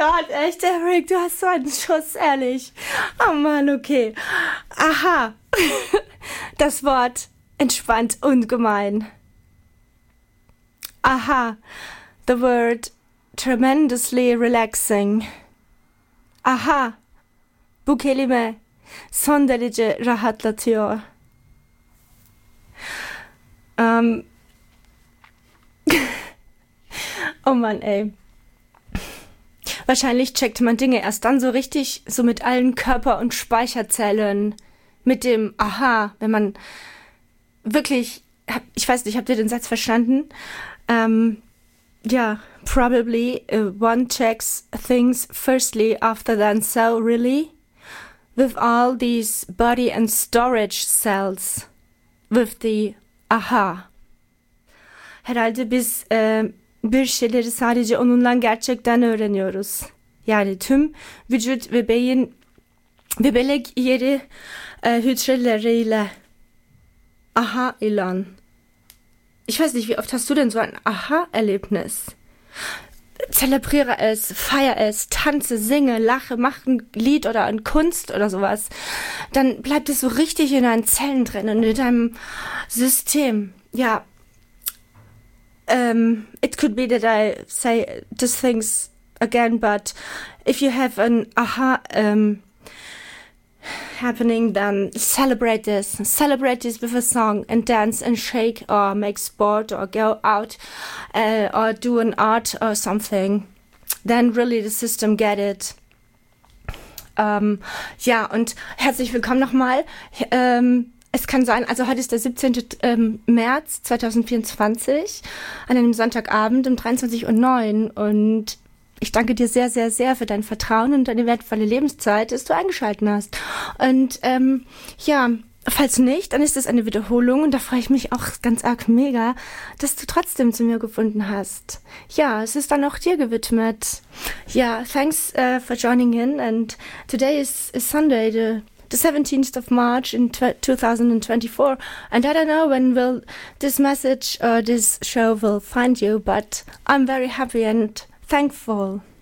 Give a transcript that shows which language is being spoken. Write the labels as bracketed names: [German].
[German] Echt, Eric, du hast so einen Schuss, ehrlich. Oh Mann, okay. Aha. Das Wort entspannt ungemein. Aha. [English] The word tremendously relaxing. Aha. [Turkish] Bu kelime son derece rahatlatıyor. [German] Oh Mann, ey. Wahrscheinlich checkt man Dinge erst dann so richtig, so mit allen Körper- und Speicherzellen, mit dem Aha, wenn man wirklich, ich weiß nicht, habt ihr den Satz verstanden? [English] Ja, probably one checks things firstly after then, so really, with all these body and storage cells, with the Aha. [Turkish] Herhalde biz bir şeyleri sadece onunla gerçekten öğreniyoruz. Yani tüm vücut ve beyin ve bebek yeri hücreleriyle. Aha, Elon. [German] Ich weiß nicht, wie oft hast du denn so ein Aha-Erlebnis? Zelebriere es, feier es, tanze, singe, lache, mach ein Lied oder eine Kunst oder sowas. Dann bleibt es so richtig in deinen Zellen drin und in deinem System. Ja. [English] It could be that I say these things again, but if you have an aha happening, then celebrate this. Celebrate this with a song and dance and shake or make sport or go out or do an art or something. Then really the system get it. [German] Ja, und herzlich willkommen nochmal. Es kann sein, also heute ist der 17. März 2024 an einem Sonntagabend um 23:09 und ich danke dir sehr, sehr, sehr für dein Vertrauen und deine wertvolle Lebenszeit, dass du eingeschalten hast. Und ja, falls nicht, dann ist es eine Wiederholung und da freue ich mich auch ganz arg mega, dass du trotzdem zu mir gefunden hast. Ja, es ist dann auch dir gewidmet. [English] Ja, thanks for joining in and today is Sunday, the 17th of March in 2024. And I don't know when will this message or this show will find you, but I'm very happy and thankful.